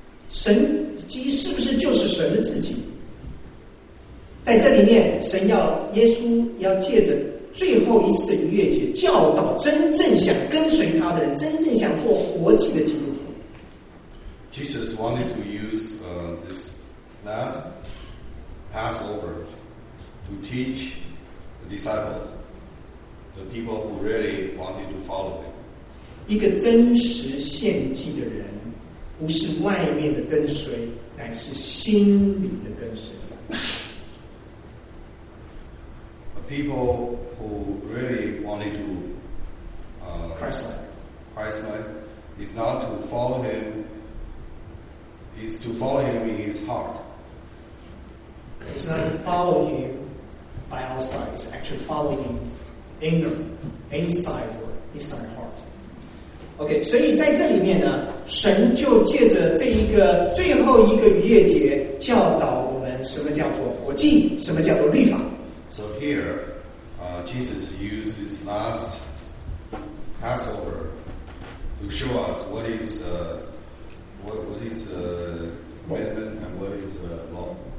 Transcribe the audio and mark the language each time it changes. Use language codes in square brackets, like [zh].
[zh] 神迹是不是就是神的自己？在这里面，神要耶稣要借着最后一次的逾越节，教导真正想跟随他的人，真正想做活祭的基督徒。 [en] Jesus wanted to use this last Passover to teach the disciples, the people who really wanted to follow him. [zh] 一个真实献祭的人，不是外面的跟随，乃是心里的跟随。 [en] People who really wanted to Christ-like is not to follow him, is to follow him in his heart. It's not to follow him by outside, it's actually following him inner, inside or inside heart. [zh] OK, 所以在这里面呢，神就借着这一个最后一个逾越节教导我们什么叫做活祭，什么叫做律法。 [en] So here, Jesus used his last Passover to show us what is commandment and what is law.